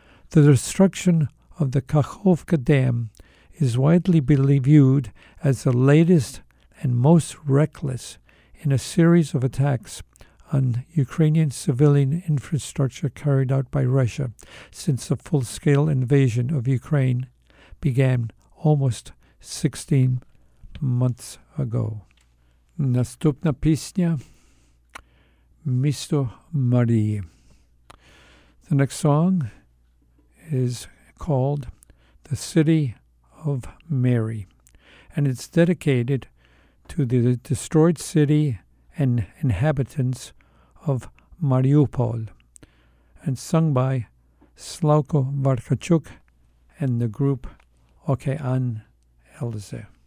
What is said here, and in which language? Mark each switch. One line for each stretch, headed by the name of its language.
English: The destruction of the Kakhovka Dam is widely viewed as the latest and most reckless in a series of attacks on Ukrainian civilian infrastructure carried out by Russia since the full-scale invasion of Ukraine began almost 16 months ago.
Ukrainian: Наступна пісня «Місто Марії».
English: The next song is called «The City of Mary», and it's dedicated to the destroyed city and inhabitants of Mariupol, and sung by Slavko Varkachuk and the group Okean Elze.